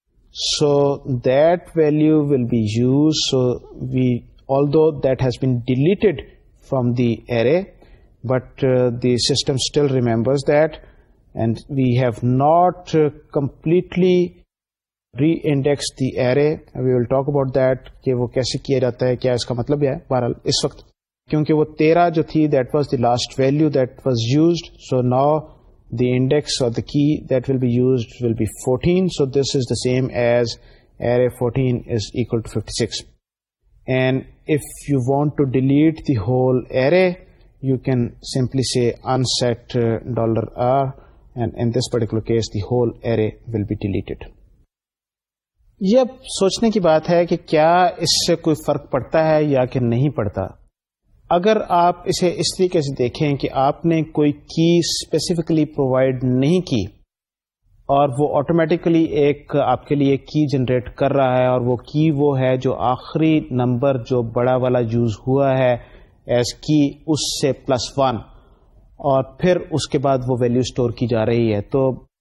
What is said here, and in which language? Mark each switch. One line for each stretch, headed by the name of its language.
English: So that value will be used. So we, although that has been deleted from the array, but the system still remembers that, and we have not completely re-indexed the array. We will talk about that,
Urdu: کہ وہ کیسے کیا جاتا ہے, کیا اس کا مطلب ہے. بہرحال اس وقت کیونکہ وہ 13 جو تھی
English: that was the last value that was used, so now the index or the key that will be used will be 14. So this is the same as array 14 is equal to 56. And if you want to delete the whole array, you can simply say unset $r, and in this particular case, the whole array will be deleted.
Urdu: یہ اب سوچنے کی بات ہے کہ کیا اس سے کوئی فرق پڑتا ہے یا کہ نہیں پڑتا. اگر آپ اسے اس طریقے سے دیکھیں کہ آپ نے کوئی کی اسپیسیفکلی پرووائڈ نہیں کی اور وہ آٹومیٹیکلی ایک آپ کے لیے کی جنریٹ کر رہا ہے, اور وہ کی وہ ہے جو آخری نمبر جو بڑا والا یوز ہوا ہے ایز کی, اس سے پلس ون, اور پھر اس کے بعد وہ ویلیو سٹور کی جا رہی ہے, تو